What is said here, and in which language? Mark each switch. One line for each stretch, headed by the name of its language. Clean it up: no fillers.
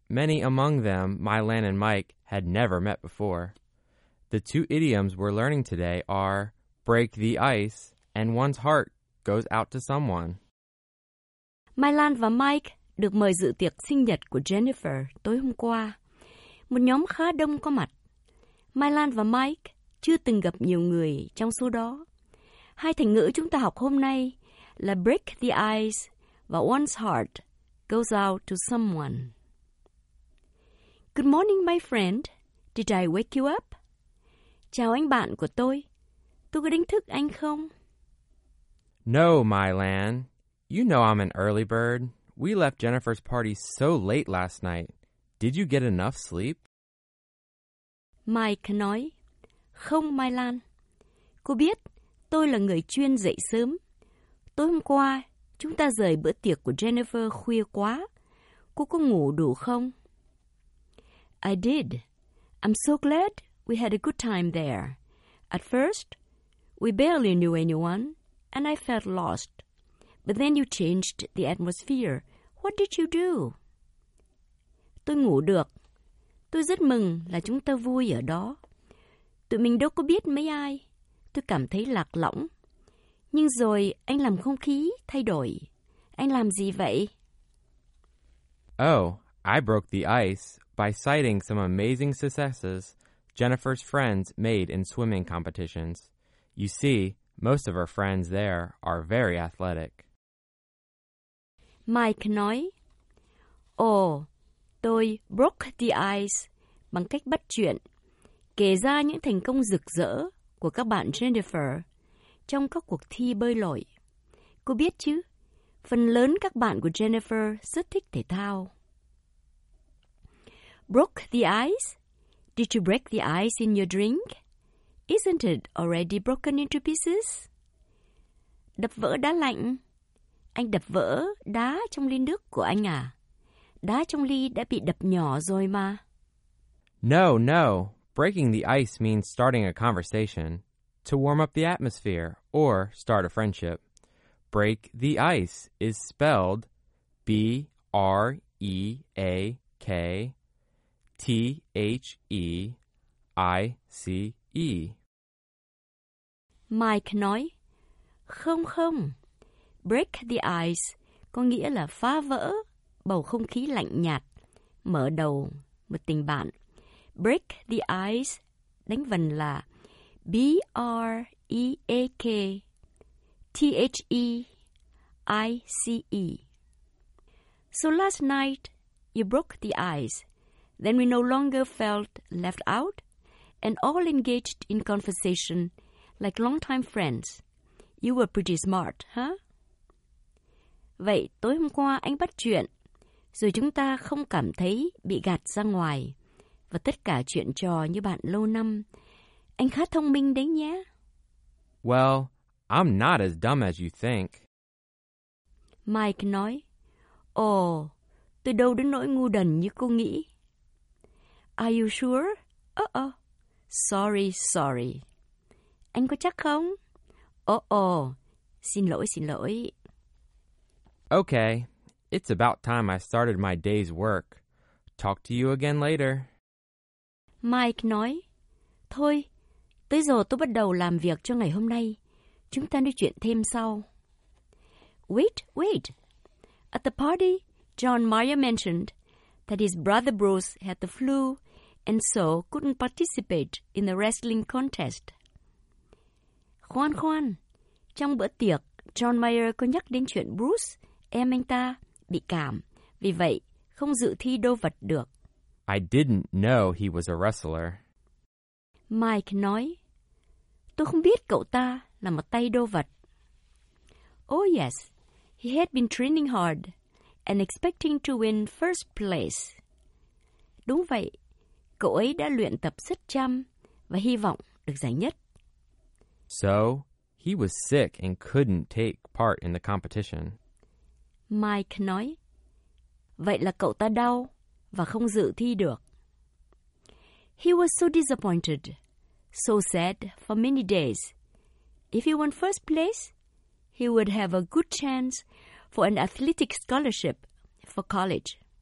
English: Many among them, Mylan and Mike, had never met before. The two idioms we're learning today are break the ice and one's heart goes out to someone.
Vietnamese: Mylan và Mike được mời dự tiệc sinh nhật của Jennifer tối hôm qua. Một nhóm khá đông có mặt. Mylan và Mike chưa từng gặp nhiều người trong số đó. Hai thành ngữ chúng ta học hôm nay là
English: break the ice
Vietnamese: và
English: one's heart goes out to someone. Good morning, my friend. Did I wake you up?
Vietnamese: Chào anh bạn của tôi. Tôi có đánh thức anh không?
English: No, Mylan. You know I'm an early bird. We left Jennifer's party so late last night. Did you get enough sleep?
Vietnamese: Mike nói, không, Mylan. Cô biết, tôi là người chuyên dậy sớm. Tối hôm qua, chúng ta rời bữa tiệc của Jennifer khuya quá. Cô có ngủ đủ không?
English: I did. I'm so glad we had a good time there. At first, we barely knew anyone, and I felt lost. But then you changed the atmosphere. What did you do?
Vietnamese: Tôi ngủ được. Tôi rất mừng là chúng ta vui ở đó. Tụi mình đâu có biết mấy ai. Tôi cảm thấy lạc lõng. Nhưng rồi anh làm không khí thay đổi. Anh làm gì vậy?
English: Oh, I broke the ice by citing some amazing successes Jennifer's friends made in swimming competitions. You see, most of her friends there are very athletic.
Vietnamese: Mike nói, Oh, tôi
English: broke the ice
Vietnamese: bằng cách bắt chuyện, kể ra những thành công rực rỡ của các bạn Jennifer trong các cuộc thi bơi lội. Cô biết chứ, phần lớn các bạn của Jennifer rất thích thể thao.
English: Broke the ice? Did you break the ice in your drink? Isn't it already broken into pieces?
Vietnamese: Đập vỡ đá lạnh. Anh đập vỡ đá trong ly nước của anh à? Đá trong ly đã bị đập nhỏ rồi mà.
English: No, no. Breaking the ice means starting a conversation, to warm up the atmosphere, or start a friendship. Break the ice is spelled B-R-E-A-K T-H-E-I-C-E.
Vietnamese: Mike nói, không không,
English: break the ice
Vietnamese: có nghĩa là phá vỡ bầu không khí lạnh nhạt, mở đầu một tình bạn.
English: Break the ice
Vietnamese: đánh vần là B-R-E-A-K T-H-E-I-C-E.
English: So last night, you broke the ice. Then we no longer felt left out and all engaged in conversation like longtime friends. You were pretty smart, huh?
Vietnamese: Vậy, tối hôm qua anh bắt chuyện, rồi chúng ta không cảm thấy bị gạt ra ngoài và tất cả chuyện trò như bạn lâu năm. Anh khá thông minh đấy nhé.
English: Well, I'm not as dumb as you think.
Vietnamese: Mike nói, Ồ, tôi đâu đến nỗi ngu đần như cô nghĩ.
English: Are you sure? Uh-oh. Sorry.
Vietnamese: Anh có chắc không? Uh-oh. Xin lỗi.
English: Okay, it's about time I started my day's work. Talk to you again later.
Vietnamese: Mike nói, Thôi, tới giờ tôi bắt đầu làm việc cho ngày hôm nay. Chúng ta nói chuyện thêm sau.
English: Wait. At the party, John Mayer mentioned that his brother Bruce had the flu and so couldn't participate in the wrestling contest.
Vietnamese: Khoan, trong bữa tiệc, John Mayer có nhắc đến chuyện Bruce, em anh ta, bị cảm, vì vậy không dự thi đô vật được.
English: I didn't know he was a wrestler.
Vietnamese: Mike nói, tôi không biết cậu ta là một tay đô vật.
English: Oh yes, he had been training hard and expecting to win first place.
Vietnamese: Đúng vậy, cậu ấy đã luyện tập rất chăm và hy vọng được giải nhất.
English: So, He was sick and couldn't take part in the competition.
Vietnamese: Mike nói, vậy là cậu ta đau và không dự thi được.
English: He was so disappointed, so sad for many days. If he won first place, he would have a good chance for an athletic scholarship for college.